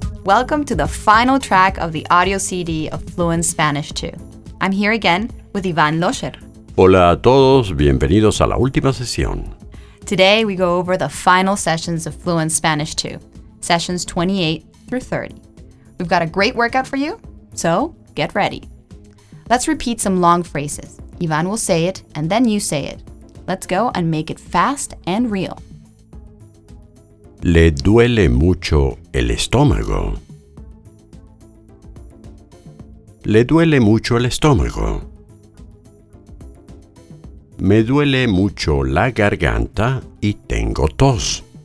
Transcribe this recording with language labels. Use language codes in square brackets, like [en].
[en] Welcome to the final track of the audio CD of Fluent Spanish 2. I'm here again with Iván Loscher. [es] Hola a todos, bienvenidos a la última sesión. [en] Today we go over the final sessions of Fluent Spanish 2, sessions 28 through 30. We've got a great workout for you, so get ready. Let's repeat some long phrases. Iván will say it, and then you say it. Let's go and make it fast and real. [es] Le duele mucho el estómago. Le duele mucho el estómago. Me duele mucho la garganta y tengo tos.